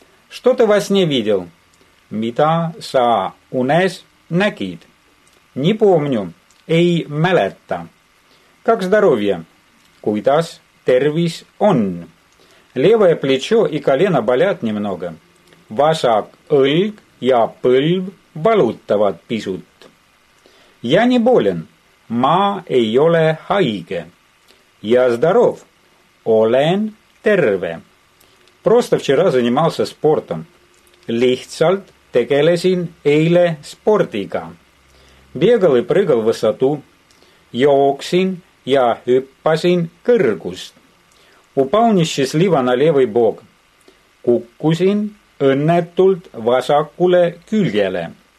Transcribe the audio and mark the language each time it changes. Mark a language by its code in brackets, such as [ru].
[ru] Что ты во сне видел? [et] Mida sa unes nägid? [ru] Не помню. [et] Ei mäleta. [ru] Как здоровье? [et] Kuidas tervis on? [ru] Левое плечо и колено болят немного. [et] Vasak õlg ja põlv valutavad pisut. [ru] Я не болен. [et] Ma ei ole haige. [ru] Я здоров. [et] Olen terve. [ru] Просто вчера занимался спортом. [et] Lihtsalt tegelesin eile sportiga. [ru] Бегал и прыгал в высоту. [et] Jooksin ja hüppasin kõrgust. [ru] Упал несчастливо на левый бок. [et] Kukkusin õnnetult vasakule küljele.